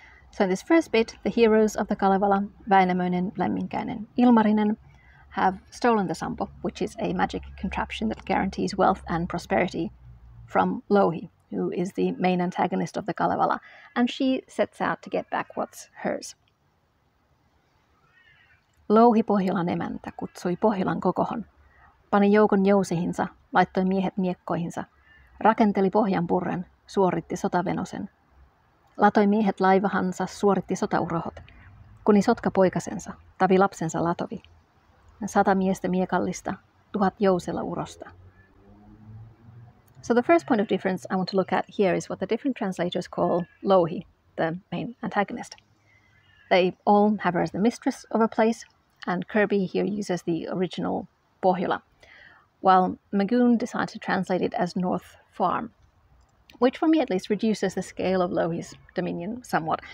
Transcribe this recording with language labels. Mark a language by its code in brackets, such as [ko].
[en] So in this first bit, the heroes of the Kalevala, Väinämöinen, Lemminkäinen, Ilmarinen, have stolen the Sampo, which is a magic contraption that guarantees wealth and prosperity, from Louhi, who is the main antagonist of the Kalevala, and she sets out to get back what's hers. [fi] Louhi Pohjolan emäntä kutsui Pohjolan kokohon, pani joukon jousihinsa, laittoi miehet miekkoihinsa, rakenteli pohjan purren, suoritti sotavenosen. Latoi miehet laivahansa, suoritti sotaurohot, kuni sotka poikasensa, tavi lapsensa latovi. 100 miestä miekallista, 1000 jousella urosta. [en] So the first point of difference I want to look at here is what the different translators call Louhi, the main antagonist. They all have her as the mistress of a place, and Kirby here uses the original Pohjola, while Magoon decides to translate it as North Farm, which for me at least reduces the scale of Louhi's dominion somewhat.